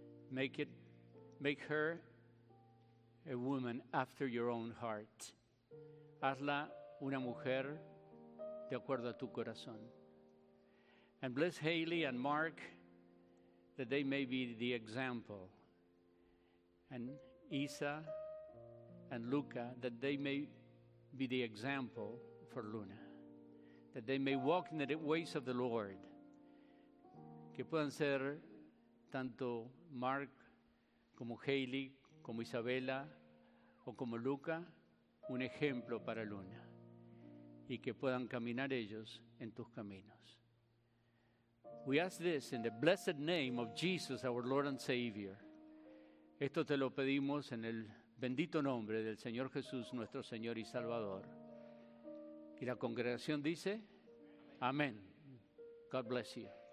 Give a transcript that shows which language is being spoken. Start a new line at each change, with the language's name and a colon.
English: Make her a woman after your own heart.
Spanish: Hazla una mujer de acuerdo a tu corazón.
English: And bless Haley and Mark that they may be the example. And Isa and Luca that they may be the example for Luna, that they may walk in the ways of the Lord.
Spanish: Que puedan ser tanto Mark como Haley, como Isabela o como Luca, un ejemplo para Luna, y que puedan caminar ellos en tus caminos.
English: We ask this in the blessed name of Jesus, our Lord and Savior.
Spanish: Esto te lo pedimos en el bendito nombre del Señor Jesús, nuestro Señor y Salvador. Y la congregación dice, amén.
English: God bless you.